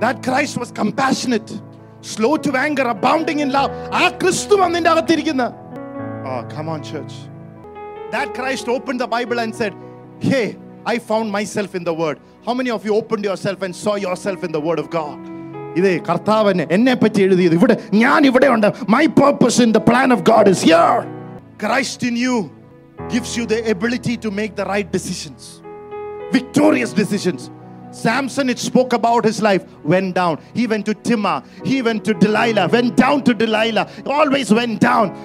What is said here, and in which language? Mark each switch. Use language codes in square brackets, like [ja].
[en] That Christ was compassionate, slow to anger, abounding in love. Oh, come on, church. That Christ opened the Bible and said, hey, I found myself in the word. How many of you opened yourself and saw yourself in the word of God? [ml] ഇതേ കർത്താവ് എന്നെ പറ്റി എഴുതിയത് ഇവിടെ ഞാൻ ഇവിടെ ഉണ്ട്. [en] My purpose in the plan of God is here. Christ in you gives you the ability to make the right decisions, victorious decisions. Samson, it spoke about his life, went down. He went to Timnah, he went to Delilah, went down to Delilah, always went down.